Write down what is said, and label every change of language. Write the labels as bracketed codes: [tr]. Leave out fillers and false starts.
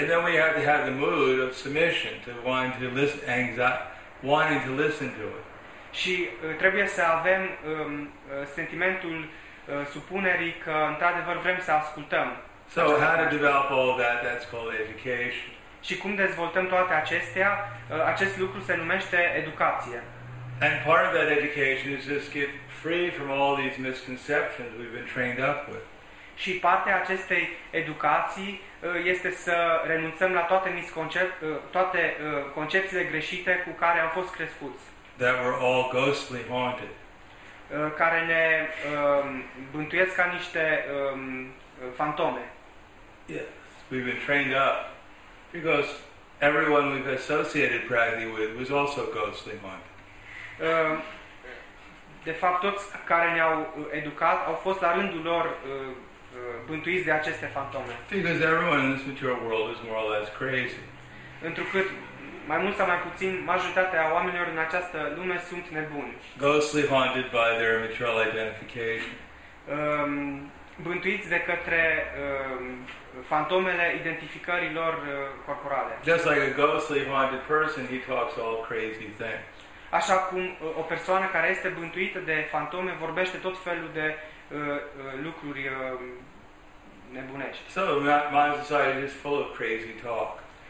[en] And then we have to have the mood of submission to wanting to listen, wanting to listen to it. [ro] Și trebuie să avem sentimentul supunerii că într-adevăr vrem să ascultăm. [en] So how to develop all that? That's called education. [ro] Și cum dezvoltăm toate acestea? Acest lucru se numește educație. [en] And part of that education is just get free from all these misconceptions we've been trained up with. [ro] Și partea acestei educații este să renunțăm la toate concepțiile greșite cu care am fost crescuți. [en] That we're all ghostly haunted. [ro] Care ne bântuiesc ca niște fantome. [en] Yes, we've been trained up because everyone we've associated practically with was also ghostly haunted. [ro] De fapt, toți care ne-au educat au fost la rândul lor bântuiți de aceste fantome. [en] Because everyone in this material world is more or less crazy. [ro] Întrucât mai mult sau mai puțin, majoritatea oamenilor în această lume sunt nebuni. [en] Ghostly haunted by their material identification. [ro] Bântuiți de către fantomele identificărilor corporale. [en] Just like a ghostly haunted person, he talks all crazy things. [ro] Așa cum o persoană care este bântuită de fantome vorbește tot felul de lucruri nebunești. [en] So, modern society is full of crazy talk.